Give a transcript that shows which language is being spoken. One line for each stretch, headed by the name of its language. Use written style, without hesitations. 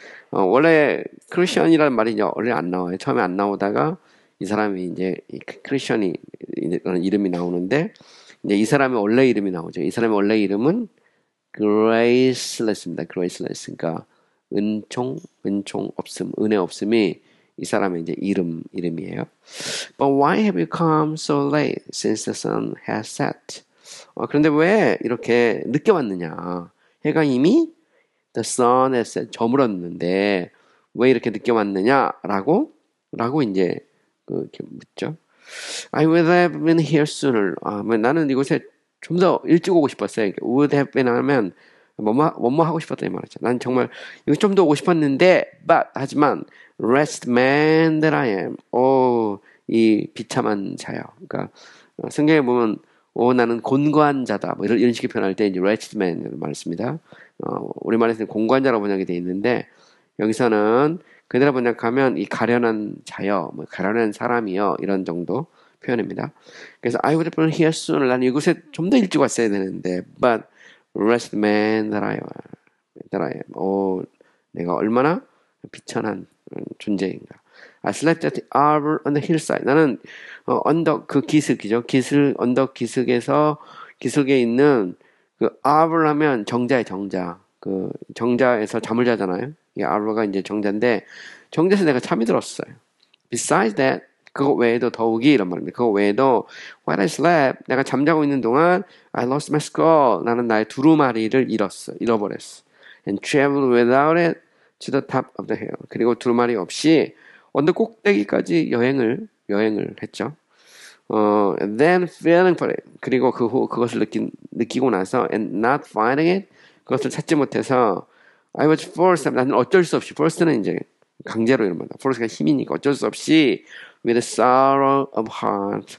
Korean: 원래 크리스천이라는 말이 이제 원래 안 나와요. 처음에 안 나오다가 이 사람이 이제 크리스천이라는 이름이 나오는데 이제 이 사람의 원래 이름이 나오죠. 이 사람의 원래 이름은 Graceless입니다. Graceless. 그러니까 은총 없음, 은혜 없음이 이 사람의 이제 이름이에요.
English: But why have you come so late since the sun has set?
Korean: 그런데 왜 이렇게 늦게 왔느냐? 해가 이미
English: the sun has set,
Korean: 저물었는데 왜 이렇게 늦게 왔느냐라고 이제 묻죠.
English: I would have been here sooner.
Korean: 나는 이곳에 좀더 일찍 오고 싶었어요.
English: Would have been
Korean: 하면 뭐뭐 하고 싶었다 이 말이죠. 난 정말 이곳 좀더 오고 싶었는데, but 하지만
English: wretched man that I am.
Korean: 오, 이 비참한 자요. 그러니까 성경에 보면 오, 나는 곤고한 자다. 뭐 이런 식의 표현할 때 이제 wretched man이라는 말을 씁니다. 우리말에서는 곤고한 자라고 번역이 되어 있는데 여기서는 그대로 번역하면 이 가련한 자여, 뭐 가련한 사람이여 이런 정도 표현입니다.
English: 그래서 I would have been here sooner.
Korean: 나는 이곳에 좀더 일찍 왔어야 되는데,
English: but wretched man that I am.
Korean: 오, 내가 얼마나 비천한 존재인가.
English: I slept at the arbor on the hillside.
Korean: 나는 언덕 그 기슭이죠. 언덕 기슭에 있는 그 arbor 하면 정자의 정자. 그 정자에서 잠을 자잖아요. 이 arbor가 이제 정자인데 정자에서 내가 잠이 들었어요.
English: Besides that,
Korean: 그거 외에도 더욱이 이런 말입니다. 그거 외에도
English: while I slept,
Korean: 내가 잠자고 있는 동안
English: I lost my skull.
Korean: 나는 나의 두루마리를 잃어버렸어.
English: And traveled without it to the top of the hill.
Korean: 그리고 두루마리 없이 언덕 꼭대기까지 여행을 했죠.
English: Then feeling for it.
Korean: 그리고 그후 그것을 느끼고 나서
English: and not finding it.
Korean: 그것을 찾지 못해서
English: I was forced.
Korean: 나는 어쩔 수 없이. forced는 이제 강제로 이런 말이다. forced가 힘이니까 어쩔 수 없이
English: with a sorrow of heart.